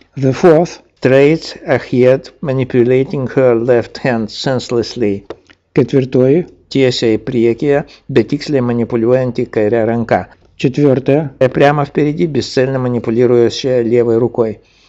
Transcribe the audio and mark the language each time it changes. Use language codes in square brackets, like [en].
[en] The fourth, straight ahead, manipulating her left hand senselessly. [lt] Ketvirtoji, tiesiai priekyje, bet tiksliai manipuliuojantį kairę ranką. [ru] Четвертая, прямо впереди, бесцельно манипулирующая левой рукой.